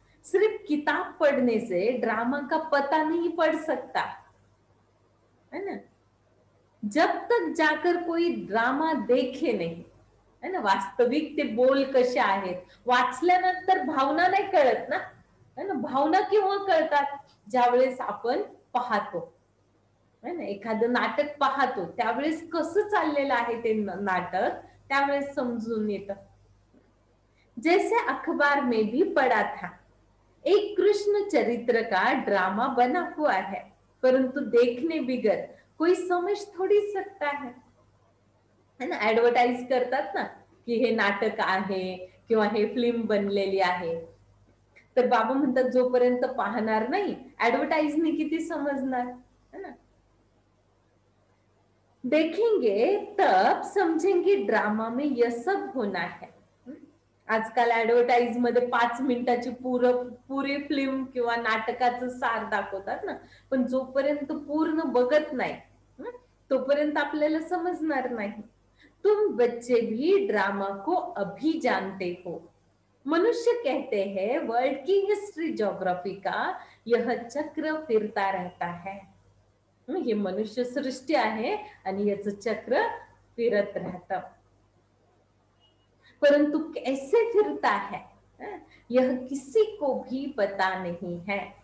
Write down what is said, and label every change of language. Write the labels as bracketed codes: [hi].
[hi] सिर्फ किताब पढ़ने से ड्रामा का पता नहीं पढ़ सकता है ना, जब तक जाकर कोई ड्रामा देखे नहीं है ना, [mr] वास्तविक ते बोल कसे आहेत वाचल्यानंतर भावना नाही कळत ना, [hi] है ना। [mr] भावना केव्हा कळतात, ज्यावेळेस आपण पाहतो है ना, एखादं नाटक पाहतो त्यावेळेस कसं चाललेलं आहे ते नाटक त्यावेळेस समजून येतं। [hi] जैसे अखबार में भी पड़ा था एक कृष्ण चरित्र का ड्रामा बना हुआ है, परंतु देखने बिगर कोई समझ थोड़ी सकता है ना। [mr] एडवर्टाइज करतात ना कि हे नाटक आहे किंवा हे फिल्म बनलेली आहे, तर बाबा म्हणतात जोपर्यंत पाहणार नाही एडवर्टाइज ने किती समजणार है ना, [hi] देखेंगे तब समझेंगे ड्रामा में यह सब होना है। [mr] आजकाल एडवर्टाइज मध्ये 5 मिनिटाची पूरे फिल्म किंवा नाटकाचं सार दाखवतात ना, पण जोपर्यंत पूर्ण बघत नाही तोपर्यंत आपल्याला समजणार नाही। [hi] तुम बच्चे भी ड्रामा को अभी जानते हो, मनुष्य कहते हैं वर्ल्ड की हिस्ट्री ज्योग्राफी का यह चक्र फिरता रहता है, ये मनुष्य सृष्टि है [mr] आणि याचं चक्र फिरत [hi] रहता, परंतु कैसे फिरता है यह किसी को भी पता नहीं है।